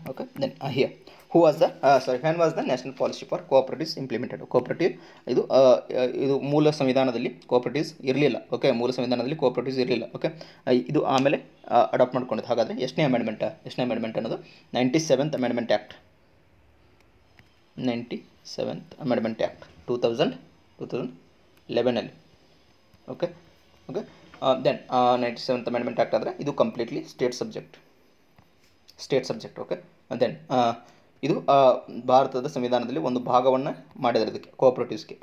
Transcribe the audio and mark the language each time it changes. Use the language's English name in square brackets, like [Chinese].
[English] Okay, then here who was the sorry when was the national policy for cooperatives implemented. [Kannada] Cooperative ಇದು ಇದು ಮೂಲ ಸಂವಿಧಾನದಲ್ಲಿ cooperatives ಇರಲಿಲ್ಲ. Okay, ಮೂಲ ಸಂವಿಧಾನದಲ್ಲಿ ಕೋಆಪರೇಟಿವ್ಸ್ ಇರಲಿಲ್ಲ. ಓಕೆ, ಇದು ಆಮೇಲೆ ಅಡಾಪ್ಟ್ ಮಾಡ್ಕೊಂಡಿದ್ದು. ಹಾಗಾದರೆ ಎಷ್ಟನೇ ಅಮೆಂಡ್ಮೆಂಟ್, ಎಷ್ಟನೇ ಅಮೆಂಡ್ಮೆಂಟ್ ಅನ್ನೋದು? [English] 97th Amendment Act. 97th Amendment Act 2011 ಅಲ್ಲಿ. [Kannada] Okay okay, then 97th Amendment Act ಆದರೆ ಇದು completely state subject, state subject. Okay, then ಇದು ಭಾರತದ ಸಂವಿಧಾನದಲ್ಲಿ ಒಂದು ಭಾಗವನ್ನು ಮಾಡಿದರೆ ಇದಕ್ಕೆ ಕೋಆಪರೇಟಿವ್ಸ್ಗೆ.